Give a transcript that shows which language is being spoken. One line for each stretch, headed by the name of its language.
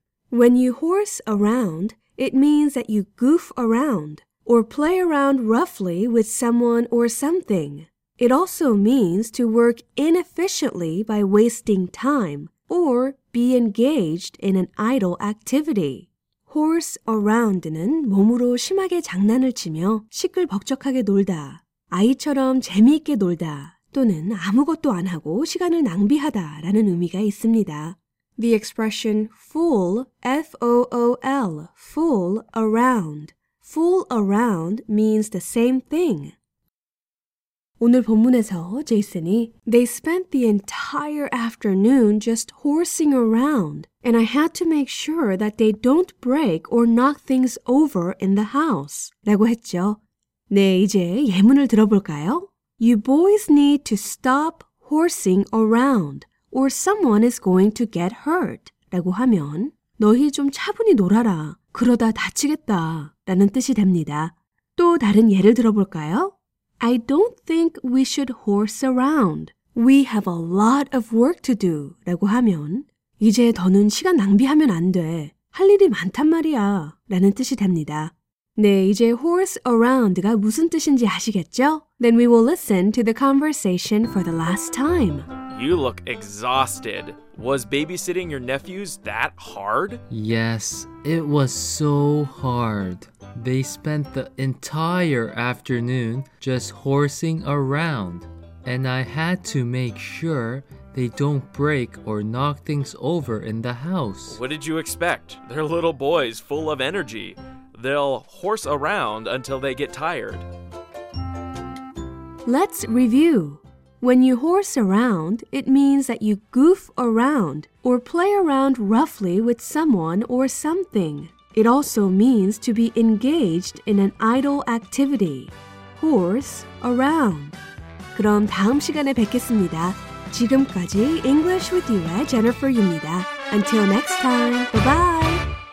English: When you horse around, it means that you goof around, or play around roughly with someone or something. It also means to work inefficiently by wasting time or be engaged in an idle activity.
Korean: Horse around는 몸으로 심하게 장난을 치며 시끌벅적하게 놀다, 아이처럼 재미있게 놀다, 또는 아무것도 안 하고 시간을 낭비하다 라는 의미가 있습니다.
English: The expression fool, F-O-O-L, fool around. Fool around means the same thing.
Korean: 오늘 본문에서 제이슨이
English: They spent the entire afternoon just horsing around, and I had to make sure that they don't break or knock things over in the house.
Korean: 라고 했죠. 네, 이제 예문을 들어볼까요?
English: You boys need to stop horsing around, or someone is going to get hurt.
Korean: 라고 하면 너희 좀 차분히 놀아라. 그러다 다치겠다 라는 뜻이 됩니다. 또 다른 예를 들어볼까요?
English: I don't think we should horse around. We have a lot of work to do.
Korean: 라고 하면 이제 더는 시간 낭비하면 안 돼. 할 일이 많단 말이야 라는 뜻이 됩니다. 네, 이제 horse around가 무슨 뜻인지 아시겠죠?
English: Then we will listen to the conversation for the last time. You look exhausted. Was babysitting your nephews that hard? Yes, it was so hard. They spent the entire afternoon just horsing around, and I had to make sure they don't break or knock things over in the house. What did you expect? They're little boys full of energy. They'll horse around until they get tired. Let's review. When you horse around, it means that you goof around or play around roughly with someone or something. It also means to be engaged in an idle activity. Horse around.
Korean: 그럼 다음 시간에 뵙겠습니다. 지금까지 English with You의 Jennifer 유입니다.
English: Until next time, bye-bye!